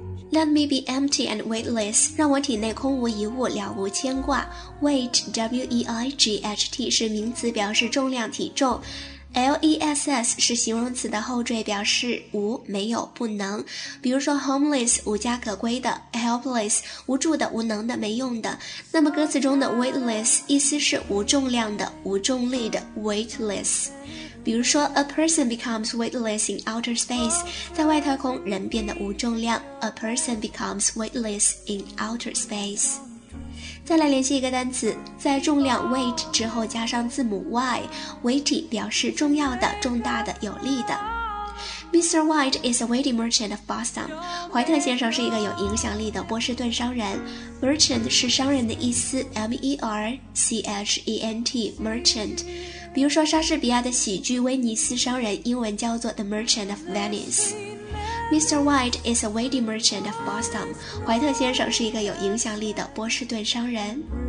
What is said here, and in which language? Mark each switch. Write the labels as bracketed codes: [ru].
[en] Let me be empty and weightless. [zh] 让我体内空无一物，了无牵挂。 Weight, W-E-I-G-H-T 是名词，表示重量、体重。 L-E-S-S 是形容词的后缀，表示无、没有、不能。比如说 homeless, 无家可归的。Helpless, 无助的、无能的、没用的。那么歌词中的 weightless 意思是无重量的、无重力的。 [en] Weightless. [zh] 比如说 [en] A person becomes weightless in outer space. [zh] 在外太空人变得无重量。 [en] A person becomes weightless in outer space. [zh] 再来联系一个单词，在重量 weight 之后加上字母 y, weighty 表示重要的、重大的、有力的。 [en] Mr. White is a weighty merchant of Boston. [zh] 怀特先生是一个有影响力的波士顿商人。 Merchant 是商人的意思， M-E-R-C-H-E-N-T, merchant. 比如说莎士比亚的喜剧《威尼斯商人》英文叫做 The Merchant of Venice. [en] Mr. White is a weighty merchant of Boston. [zh] 怀特先生是一个有影响力的波士顿商人。